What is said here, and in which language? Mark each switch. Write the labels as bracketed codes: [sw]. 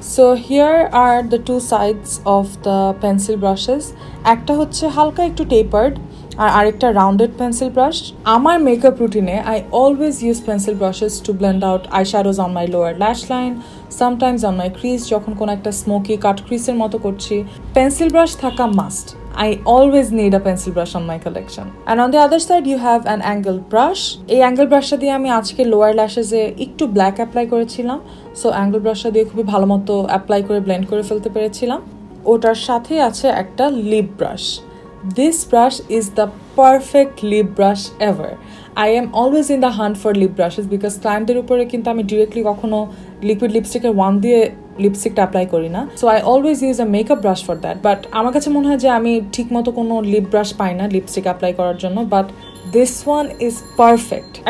[en] So here are the two sides of the pencil brushes. [bn] একটা হচ্ছে হালকা একটু টেপার্ড আর আরেকটা রাউন্ডেড পেন্সিল ব্রাশ। আমার মেকআপ রুটিনে [en] I always use pencil brushes to blend out eyeshadows on my lower lash line, sometimes on my crease [bn] যখন কোনো একটা স্মোকি কাট ক্রিজের মতো করছি। পেন্সিল ব্রাশ থাকা must. [en] I always need a pencil brush on my collection. And on the other side you have an angled brush. [bn] এই angle ব্রাশটা দিয়ে আমি আজকে লোয়ার ল্যাশেজে একটু ব্ল্যাক অ্যাপ্লাই করেছিলাম। সো অ্যাঙ্গেল ব্রাশটা দিয়ে খুবই ভালো মতো অ্যাপ্লাই করে ব্লেন্ড করে ফেলতে পেরেছিলাম। ওটার সাথে আছে একটা lip brush. [en] This brush is the perfect lip brush ever. I am always in the hunt for lip brushes because [bn] client-দের উপরে কিন্তু আমি directly কখনো লিকুইড লিপস্টিকের ওয়ান দিয়ে লিপস্টিকটা অ্যাপ্লাই করি না। [en] So I always use a makeup brush for that. [bn] But আমার কাছে মনে হয় যে আমি ঠিকমতো কোনো লিপ ব্রাশ পাই না লিপস্টিক অ্যাপ্লাই করার জন্য, but [en] This one is perfect.